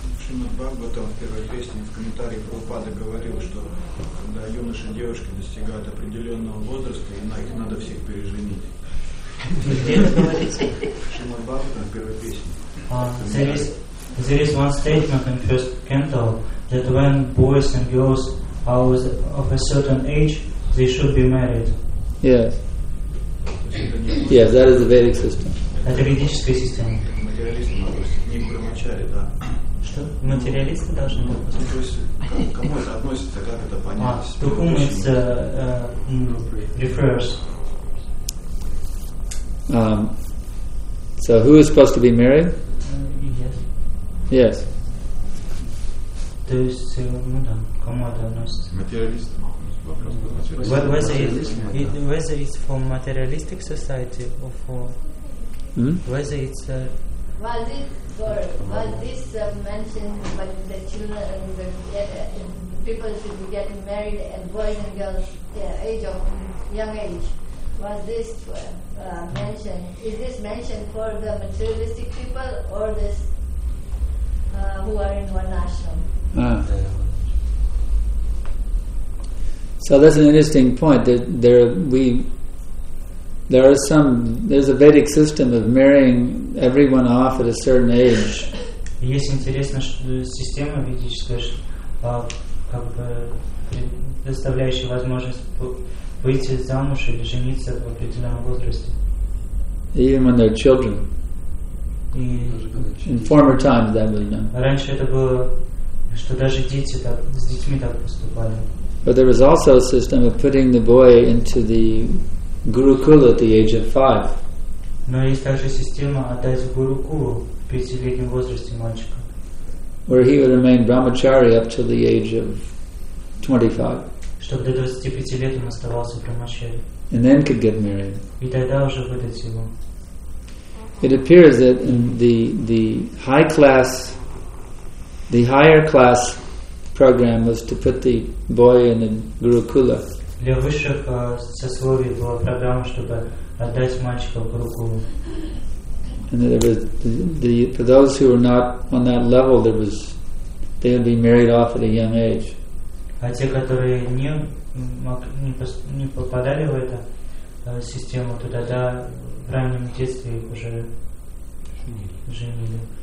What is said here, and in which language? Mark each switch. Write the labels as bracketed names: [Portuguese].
[Russian] Шримад Бхагаватам в первой песне в комментарии Прабхупада говорил, что когда юноши и девушки достигают определенного возраста, их надо всех переженить. Шримад Бхагаватам в первой песне. [English] There is one statement in first canto that when boys and girls are of a certain age, they should be married. Yes. Yes, that is the Vedic system. That is a Vedic system. Materialist, not brahmachari, [Russian] да? Что? Материалисты должны быть. Кому это относится, как это понять? [English] To whom it refers. So who is supposed to be married? Yes. Yes. [Russian] То есть, ну да, кому это относится? Материалисты. [English] Whether it's from materialistic society or for whether it's mentioned about the children and the people should be getting married and boys and girls young age. Was this mentioned? Is this mentioned for the materialistic people or this who are in one ashram? So that's an interesting point. That there's a Vedic system of marrying everyone off at a certain age. [Russian] Есть интересная система ведическая, как бы предоставляющая возможность выйти замуж или жениться в определенном возрасте. [English] Even when they're children. In former times, that was known. [Russian] Раньше это было, что даже дети с детьми так поступали. [English] But there was also a system of putting the boy into the Gurukula at the age of 5. [Russian] Но есть также система отдать в Гурукулу в 5-летнем возрасте мальчика. [English] Where he would remain brahmachari up till the age of 25. [Russian] Чтобы до 25 лет он оставался брахмачари. [English] And then could get married. [Russian] И тогда уже выдать его. [English] It appears that in the higher class program was to put the boy in the Gurukula. [Russian] Для высших сословий была программа, чтобы отдать мальчика в Гурукулу. [English] And there was for those who were not on that level, they would be married off at a young age. [Russian] А те, которые не попадали в эту систему, тогда в раннем детстве их уже женили.